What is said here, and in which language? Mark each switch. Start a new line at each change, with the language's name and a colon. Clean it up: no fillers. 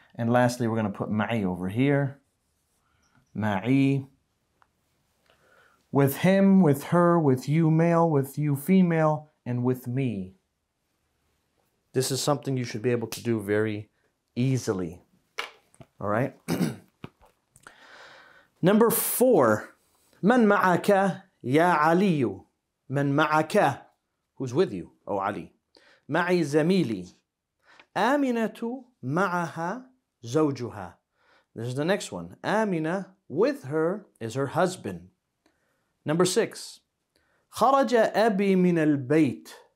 English: And lastly, we're going to put ma'i over here. Ma'i. With him, with her, with you male, with you female, and with me. This is something you should be able to do very easily. All right? Number four,
Arabic: من معك يا علي. من معك,
English: who's with you, O Ali.
Arabic: معي زميلي. آمنة معها زوجها.
English: This is the next one. آمنة with her is her husband. Number six.
Arabic: خرج أبي من البيت.